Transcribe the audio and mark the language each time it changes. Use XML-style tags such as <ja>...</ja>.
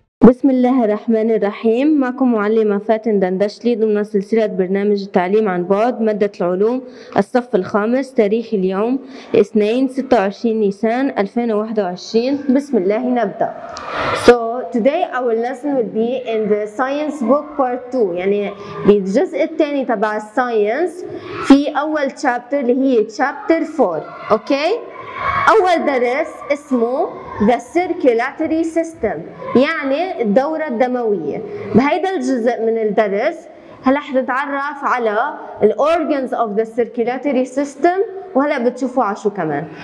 <ar>بسم الله الرحمن الرحيم، معكم معلمة فاتن دندشلي ضمن سلسلة برنامج التعليم عن بعد مادة العلوم الصف الخامس، تاريخ اليوم 26 نيسان 2021. بسم الله نبدأ.</ar> <en>So today our lesson will be in the science book part 2،</en> <ar>يعني بالجزء الثاني تبع الساينس في أول</ar> <en>chapter اللي هي chapter 4.</en> <ar>okay، أول درس اسمه The Circulatory System، يعني الدورة الدموية. بهيدا الجزء من الدرس هلا حتتعرف على</ar> <en>The Organs of the Circulatory System،</en> <ar>وهلا بتشوفوا عشو كمان.</ar>